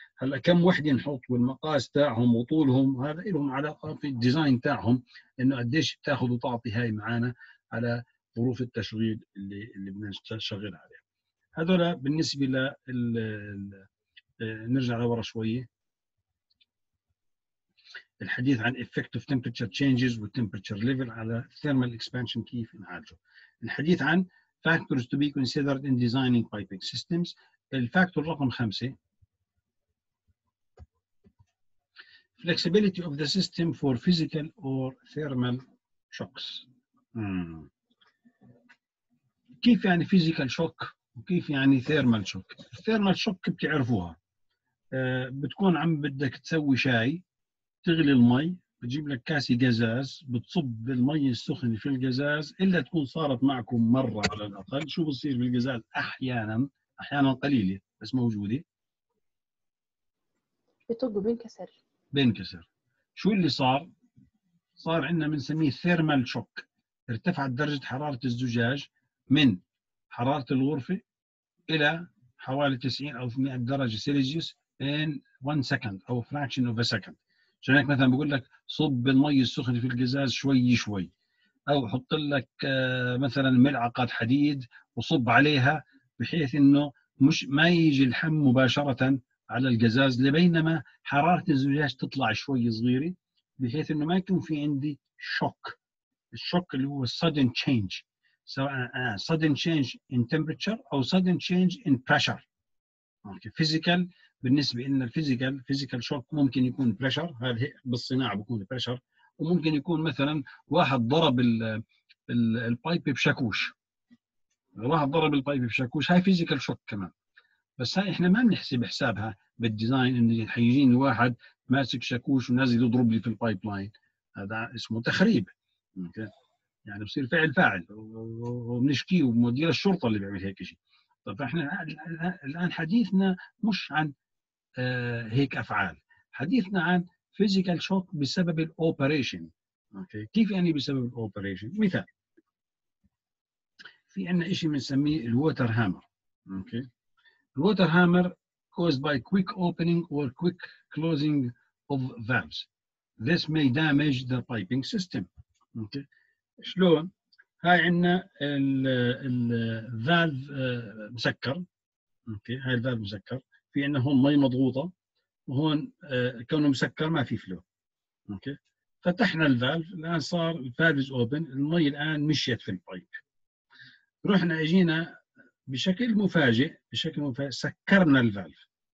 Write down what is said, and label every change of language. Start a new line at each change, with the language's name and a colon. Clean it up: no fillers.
Arabic: هلا كم وحده نحط والمقاس تاعهم وطولهم، هذا لهم علاقه في الديزاين تاعهم، انه قديش بتاخذ وتعطي هاي معانا على ظروف التشغيل اللي بدنا نشغل عليها. هذول بالنسبه لل نرجع لورا شويه، الحديث عن
English: effect of temperature changes with temperature level على thermal expansion
Arabic: كيف نعالجه. الحديث عن
English: factors to be considered in designing piping systems.
Arabic: الفاكتور رقم
English: 5 flexibility of the system for physical or thermal shocks.
Arabic: كيف يعني physical shock وكيف يعني thermal shock؟ thermal shock بتعرفوها، بتكون عم بدك تسوي شاي، تغلي المي، بتجيب لك كاسة قزاز، بتصب المي السخن في القزاز، إلا تكون صارت معكم مرة على الأقل. شو بصير بالقزاز أحياناً؟ أحياناً قليلة بس موجودة، بتطب بينكسر. بينكسر، شو اللي صار؟ صار عندنا بنسميه ثيرمال شوك، ارتفعت درجة حرارة الزجاج من حرارة الغرفة إلى حوالي 90 أو 100 درجة سيليجيوس
English: in one second
Arabic: أو
English: fraction of a second.
Arabic: عشان هيك مثلا بقول لك صب المي السخن في القزاز شوي شوي، او حط لك مثلا ملعقه حديد وصب عليها بحيث انه مش ما يجي الحم مباشره على القزاز، لبينما حراره الزجاج تطلع شوي صغيره، بحيث انه ما يكون في عندي شوك. الشوك اللي هو
English: sudden change، سواء sudden change in temperature او sudden change in pressure.
Arabic: اوكي، physical بالنسبة إن الفيزيكال، فيزيكال شوك ممكن يكون بريشر، هذا بالصناعة بيكون بريشر، وممكن يكون مثلا واحد ضرب البايب بشاكوش، واحد ضرب البايب بشاكوش، هاي فيزيكال شوك كمان. بس هاي إحنا ما بنحسب حسابها بالديزاين، إن حيجيني واحد ماسك شاكوش ونازل يضرب لي في البايب لاين، هذا اسمه تخريب. يعني بصير فعل فاعل وبنشكي ومدير الشرطة اللي بيعمل هيك شيء. طب إحنا الآن حديثنا مش عن هيك أفعال، حديثنا عن physical shock بسبب الـ operation.
English: okay.
Arabic: كيف يعني بسبب الـ operation؟ مثال، في عنا إشي بنسميه الـ water hammer.
English: okay. water hammer caused by quick opening or quick closing of valves. This may damage the piping system. okay.
Arabic: شلون؟ هاي عنا الـ valve مسكر. okay. هاي الـ valve مسكر، في عندنا هون مي مضغوطة، وهون كونه مسكر ما في فلو. اوكي، فتحنا الفالف، الان صار الفالف از اوبن، المي الان مشيت في البايب، رحنا اجينا بشكل مفاجئ، بشكل مفاجئ سكرنا الفالف.